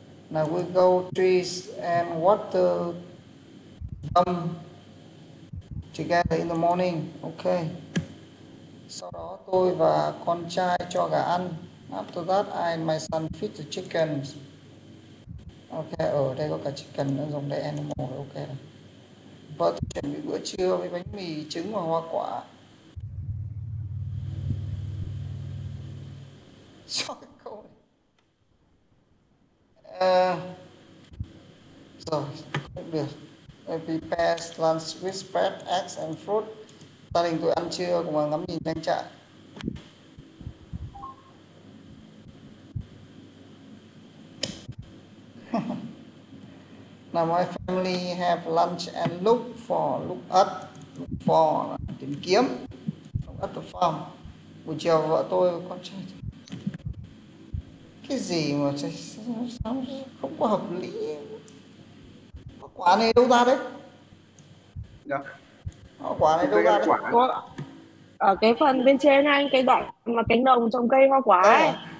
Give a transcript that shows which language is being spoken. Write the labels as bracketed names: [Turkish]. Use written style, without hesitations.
[English] Now we go trees and water them together in the morning. Ok. [Vietnamese] Sau đó tôi và con trai cho gà ăn. [English] After that, I and my son feed the chickens. [Vietnamese] Ok, ở đây có cả chicken, nó giống đây animal, ok. Vợ tôi chuẩn bị bữa trưa với bánh mì, trứng và hoa quả. Sao cái câu này? Rồi, không được. [English] I prepare lunch with bread, eggs and fruit. [Vietnamese] Gia đình tôi ăn trưa cùng ngắm nhìn trang trại. [English] Now my family have lunch and look for [Vietnamese] tìm kiếm [English] at the farm. [Vietnamese] Buổi chiều vợ tôi và con trai cái gì mà sao không có hợp lý, có quả này đâu ra đấy? Dạ. Quả này đâu ra đấy? Có ở cái phần bên trên anh, cái đoạn mà cánh đồng trồng cây hoa quả ấy.